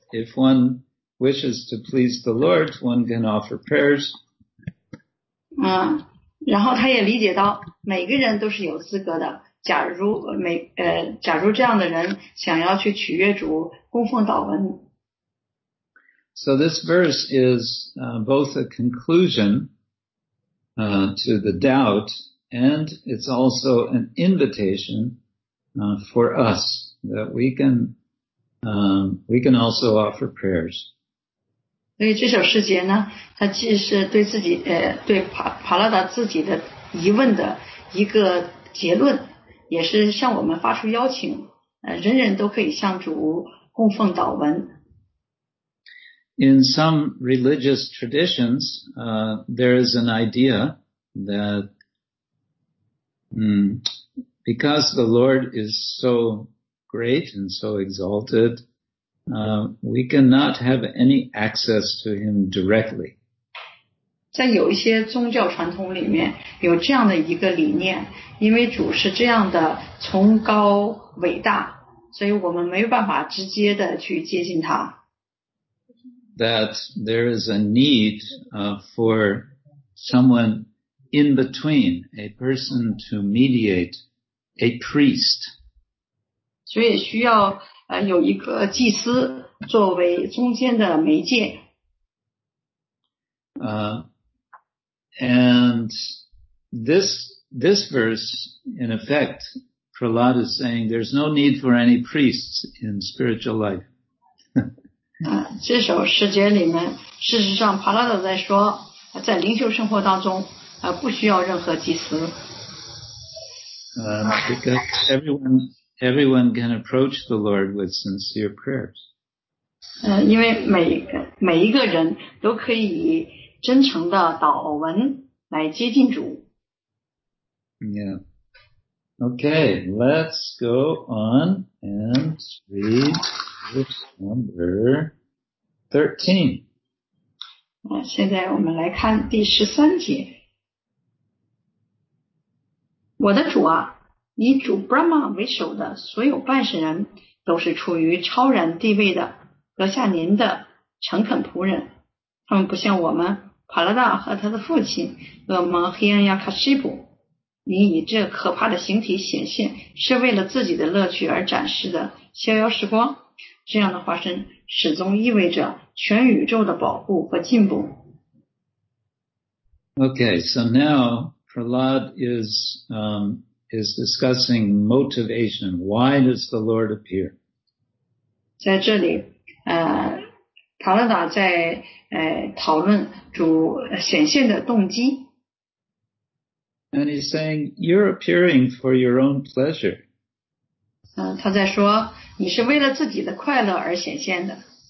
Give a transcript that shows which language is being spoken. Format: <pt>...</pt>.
<en>If one wishes to please the Lord, one can offer prayers.</en> <zh>然后他也理解到每个人都是有资格的。假如这样的人想要去取悦主，供奉祷文。</zh> <en>So this verse is both a conclusion to the doubt, and it's also an invitation for us that we can also offer prayers.</en> <zh>所以这首诗节呢，它既是对自己对帕拉达自己的疑问的一个结论，也是向我们发出邀请，人人都可以向主供奉祷文。</zh> <en>In some religious traditions, there is an idea that, because the Lord is so great and so exalted, we cannot have any access to him directly.</en> <zh>在有一些宗教传统里面有这样的一个理念，因为主是这样的崇高伟大，所以我们没有办法直接的去接近他。</zh> <en>That there is a need for someone in between, a person to mediate, a priest.</en> <zh>所以需要有一个祭司作为中间的媒介。</zh> <en>And this verse, in effect, Prahlad is saying there's no need for any priests in spiritual life.</en> <zh>这首诗节里面事实上帕拉达在说在灵修生活当中不需要任何祭司。</zh> <en>Because everyone can approach the Lord with sincere prayers.</en> <zh>因为每一个人都可以以真诚的祷文来接近主。</zh> <en>Yeah. Okay, let's go on and read this number. 13.</en> <zh>现在我们来看第13节。我的主啊，以主 Brahma 为首的所有办事人都是处于超然地位的，阁下您的诚恳仆人。他们不像我们帕拉达和他的父亲恶魔黑暗亚卡西卜，您以这可怕的形体显现是为了自己的乐趣而展示的逍遥时光。这样的化身始终意味着全宇宙的保护和进步。</zh> <en>Okay, so now Prahlad is discussing motivation. Why does the Lord appear?</en> <zh>在这里，帕拉达在讨论主显现的动机。</zh> <en>And he's saying, "You're appearing for your own pleasure."</en> <zh>他在说你是为了自己的快乐而显现的。</zh>